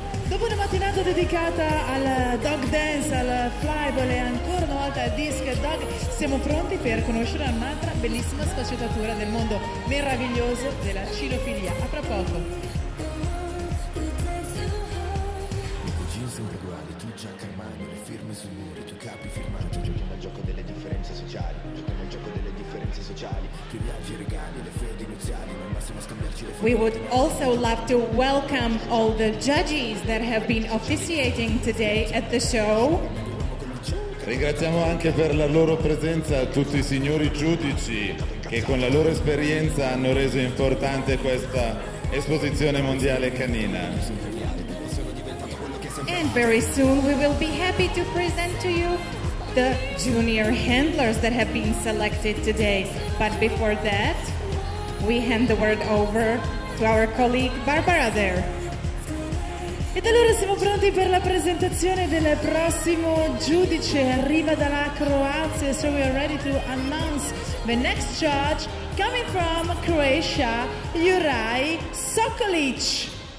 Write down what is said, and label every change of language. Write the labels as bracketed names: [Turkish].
[Italian] Dopo una mattinata dedicata al dog dance, al flyball e ancora una volta al disc dog, siamo pronti per conoscere un'altra bellissima sfaccettatura del mondo meraviglioso della cinofilia. A tra poco. Le cucine sempre uguali, tu già a mani, le firme sui muri, tu capi firmati. Giochiamo al gioco delle differenze sociali, giochiamo al gioco delle differenze sociali. Tu viaggi e regali, le fede iniziali. [English] We would also love to welcome all the judges that have been officiating today at the show. [Italian] Ringraziamo anche per la loro presenza tutti i signori giudici che con la loro esperienza hanno reso importante questa esposizione mondiale canina. [English] And very soon we will be happy to present to you the junior handlers that have been selected today. But before that, we hand the word over to our colleague Barbara there. [Italian] Ed allora siamo pronti per la presentazione del prossimo giudice. Arriva dalla Croazia. [English] So we are ready to announce the next judge coming from Croatia, Juraj Sokolic.